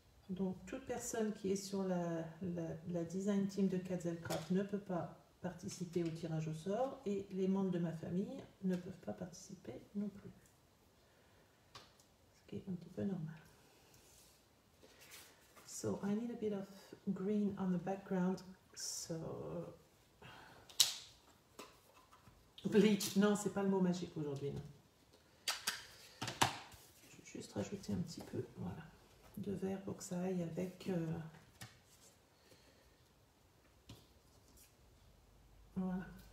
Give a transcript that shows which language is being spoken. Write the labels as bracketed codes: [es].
[fr] Donc toute personne qui est sur la design team de Cattle Craft ne peut pas participer au tirage au sort, et les membres de ma famille ne peuvent pas participer non plus. Un petit peu normal. [en] So I need a bit of green on the background. [fr] So bleach, non, c'est pas le mot magique aujourd'hui. Je vais juste rajouter un petit peu, voilà, de vert pour que ça aille avec voilà.